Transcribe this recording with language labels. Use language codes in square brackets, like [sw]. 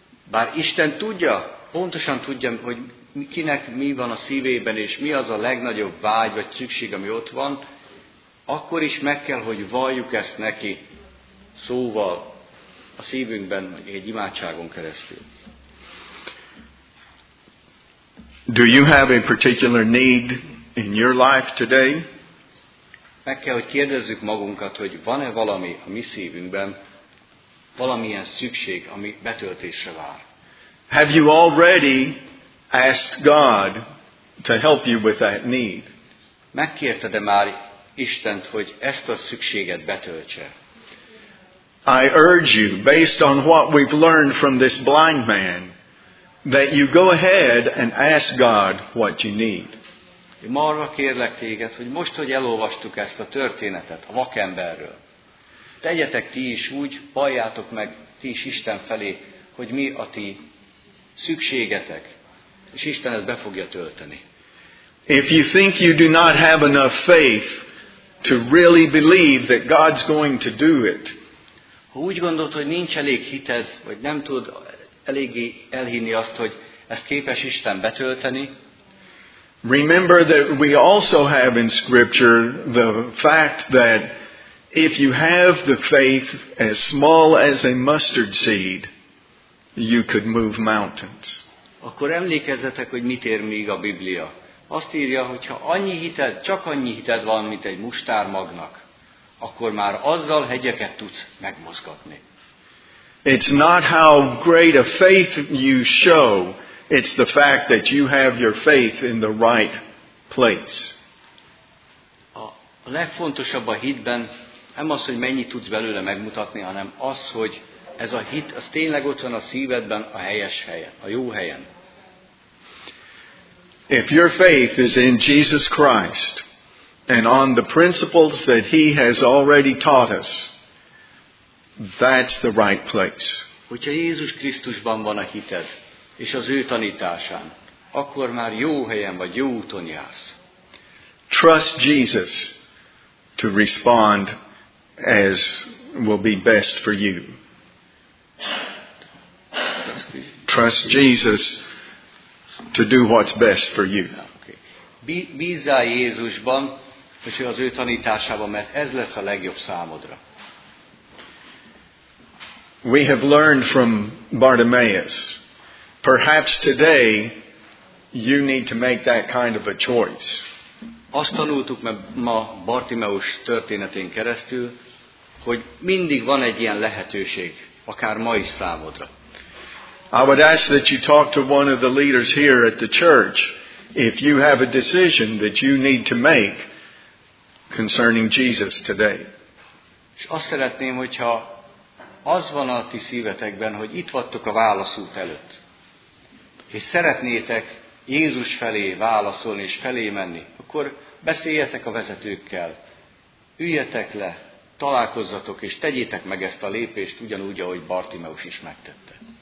[hu] Bár Isten tudja, pontosan tudja, hogy kinek mi van a szívében, és mi az a legnagyobb vágy vagy szükség, ami ott van, akkor is meg kell, hogy valljuk ezt neki szóval a szívünkben, vagy egy imádságon keresztül. [en] Do you have a particular need in your life today? [hu] Meg kell, hogy kérdezzük magunkat, hogy van-e valami a mi szívünkben, valamilyen szükség, ami betöltésre vár. [en] Have you already asked God to help you with that need? [hu] Megkérted-e már Istent, hogy ezt a szükséget betöltse? [en] I urge you, based on what we've learned from this blind man, that you go ahead and ask God what you need. [hu] Én arra kérlek téged, hogy most, hogy elolvastuk ezt a történetet a vakemberről, tegyetek ti is úgy, halljátok meg ti is Isten felé, hogy mi a ti szükségetek, és Isten ezt be fogja tölteni. [en] If you think you do not have enough faith to really believe that God's going to do it, [hu] ha úgy gondolod, hogy nincs elég hited, vagy nem tud eléggé elhinni azt, hogy ezt képes Isten betölteni, [en] remember that we also have in Scripture the fact that if you have the faith as small as a mustard seed, you could move mountains. [hu] Akkor emlékezzetek, hogy mit ér még a Biblia. Azt írja, hogy ha annyi hited, csak annyi hited van, mint egy mustármagnak, akkor már azzal hegyeket tudsz megmozgatni. [en] It's not how great a faith you show, it's the fact that you have your faith in the right place. [hu] A legfontosabb a hitben nem az, hogy mennyit tudsz belőle megmutatni, hanem az, hogy ez a hit, az tényleg ott van a szívedben, a helyes helyen, a jó helyen. [en] If your faith is in Jesus Christ and on the principles that he has already taught us, that's the right place. [hu] Hogyha Jézus Krisztusban van a hited, és az ő tanításán, akkor már jó helyen vagy, jó úton jársz. [en] Trust Jesus to respond as will be best for you. Trust Jesus to do what's best for you. [hu] Bízzál Jézusban, és az ő tanításában, mert ez lesz a legjobb számodra. [en] We have learned from Bartimaeus. Perhaps today you need to make that kind of a choice. [hu] Azt tanultuk meg ma Bartimeus történetén keresztül, hogy mindig van egy ilyen lehetőség, akár ma is számodra. [en] I would ask that you talk to one of the leaders here at the church if you have a decision that you need to make concerning Jesus today. [hu] És azt szeretném, hogyha az van a ti szívetekben, hogy itt vagytok a válaszút előtt, és szeretnétek Jézus felé válaszolni és felé menni, akkor beszéljetek a vezetőkkel, üljetek le, találkozzatok, és tegyétek meg ezt a lépést ugyanúgy, ahogy Bartimeus is megtette.